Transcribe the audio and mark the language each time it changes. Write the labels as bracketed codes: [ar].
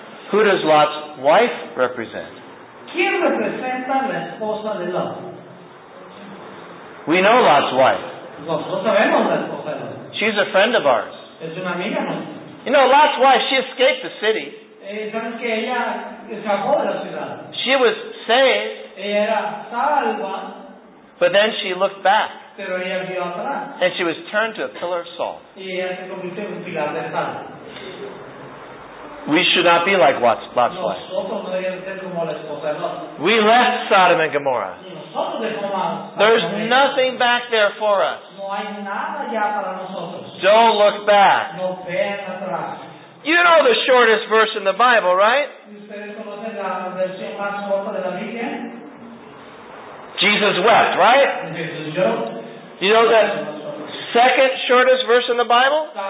[en] Who does Lot's wife represent? [es] ¿Quién representa la esposa de Lot? [en] We know Lot's wife. [es] Nosotros sabemos la esposa de Lot. [en] She's a friend of ours. [es] Es una amiga, ¿no? [en] You know, Lot's wife, she escaped the city. [es] ¿Sabes que ella escapó de la ciudad? [en] She was saved. [es] Ella era salva. [en] But then she looked back. [es] Pero ella vio atrás. [en] And she was turned to a pillar of salt. [es] Y ella se convirtió en un pilar de sal. [en] We should not be like Lot's wife. [es] Nosotros no deberíamos ser como la esposa de Lot. [en] We left Sodom and Gomorrah. [es] Nosotros dejamos Sodom y Gomorra. [en] There's nothing back there for us. [es] No hay nada ya para nosotros. [en] Don't look back. [es] No veas atrás. [en] You know the shortest verse in the Bible, right? [es] Ustedes conocen la versión más corta de la Biblia. [en] Jesus wept, right? You know that second shortest verse in the Bible?